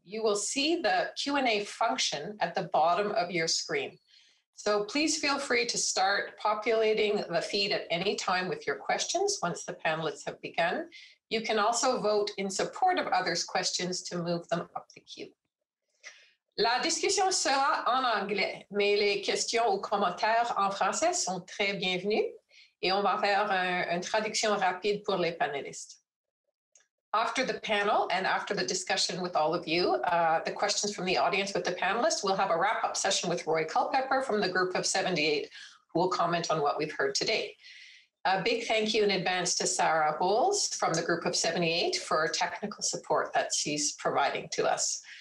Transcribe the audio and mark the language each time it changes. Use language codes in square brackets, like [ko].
[en] You will see the Q&A function at the bottom of your screen. So please feel free to start populating the feed at any time with your questions once the panelists have begun. You can also vote in support of others' questions to move them up the queue. [fr] La discussion sera en anglais, mais les questions ou commentaires en français sont très bienvenus. Et on va faire une traduction rapide pour les panélistes. [en] After the panel and after the discussion with all of you, the questions from the audience with the panelists, we'll have a wrap-up session with Roy Culpepper from the Group of 78, who will comment on what we've heard today. A big thank you in advance to Sarah Bowles from the Group of 78 for technical support that she's providing to us.